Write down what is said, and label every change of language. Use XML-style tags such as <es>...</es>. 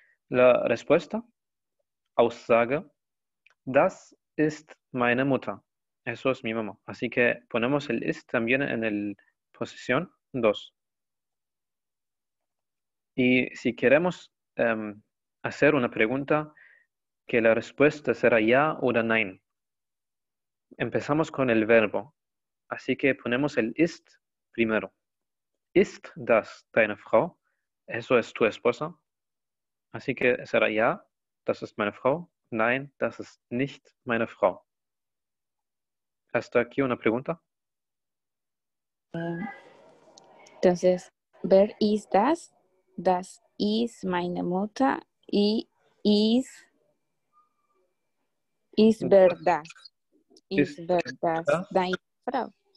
<es>La respuesta,</es> <de>Aussage, das ist meine Mutter.</de> <es>Eso es mi mamá. Así que ponemos el ist también en la posición 2. Y si queremos hacer una pregunta que la respuesta será ya o nein, empezamos con el verbo. Así que ponemos el ist primero.</es> <de>Ist das deine Frau?</de> <es>Eso es tu esposa. Así que será</es> <de>ya, das ist meine Frau. Nein, das ist nicht meine Frau.</de> <es>¿Hasta aquí una pregunta?</es> <de>Entonces, wer ist das? Das ist meine Mutter.</de> <es>Y ist verdad.</es> <de>Ist verdad deine Frau.</de>